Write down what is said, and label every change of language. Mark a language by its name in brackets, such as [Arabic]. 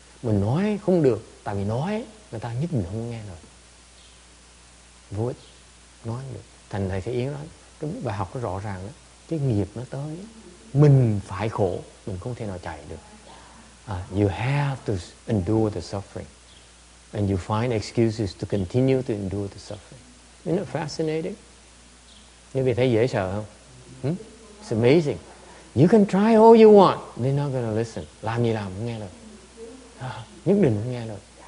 [Vietnamese] Mình nói không được, tại vì nói người ta nhất định không nghe rồi. Vô ích, nói được. Thành thầy phải yên đó. Cái bài học nó rõ ràng đó. Cái nghiệp nó tới, mình phải khổ, mình không thể nào chạy được. [English] You have to endure the suffering. And you find excuses to continue to endure the suffering. Isn't it fascinating? [Vietnamese] Như vậy thấy dễ sợ không? [English] It's amazing. You can try all you want, they're not going to listen. [Vietnamese] Làm gì làm, không nghe lời. Nhất định không nghe lời.